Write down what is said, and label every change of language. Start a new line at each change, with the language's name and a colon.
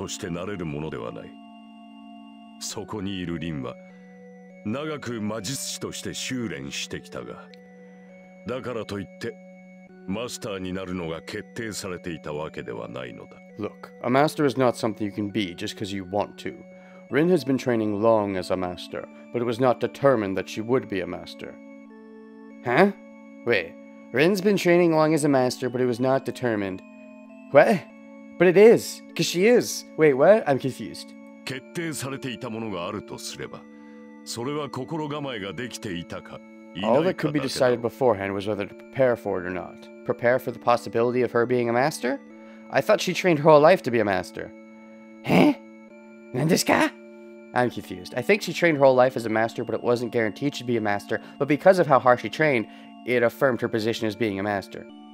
Japanese: マスターというものはなろうとしてなれるものではない。そこにいるリンは長く魔術師として修練してきたが、 だからといって、 マスターになるのが決定されていたわけではないのだ。
English: Look, a master is not something you can be just because you want to. Rin has been training long as a master, but it was not determined that she would be a master. Huh? Wait. Rin's been training long as a master, but it was not determined. What? But it is, because she is. Wait, what? I'm confused.
Japanese: 決定されていたものがあるとすれば、それは心構えができていたか。
English: All that could be decided beforehand was whether to prepare for it or not. Prepare for the possibility of her being a master? I thought she trained her whole life to be a master. Huh?
Japanese: Nandesuka?
English: I'm confused. I think she trained her whole life as a master, but it wasn't guaranteed she'd be a master. But because of how hard she trained, it affirmed her position as being a master.